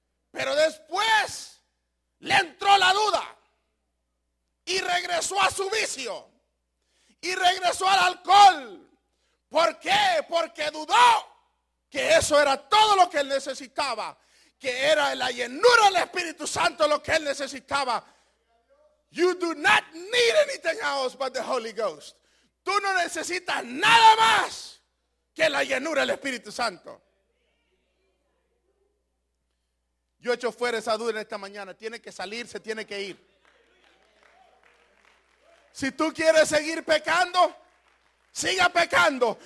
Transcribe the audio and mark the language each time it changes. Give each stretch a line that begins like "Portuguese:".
Spanish: Pero después le entró la duda. Y regresó a su vicio. Y regresó al alcohol. ¿Por qué? Porque dudó que eso era todo lo que él necesitaba. Que era la llenura del Espíritu Santo lo que él necesitaba.
English: You do not need anything else but the Holy Ghost.
Spanish: Tú no necesitas nada más que la llenura del Espíritu Santo. Yo echo fuera esa duda en esta mañana. Tiene que salir, se tiene que ir. Si tú quieres seguir pecando, siga pecando.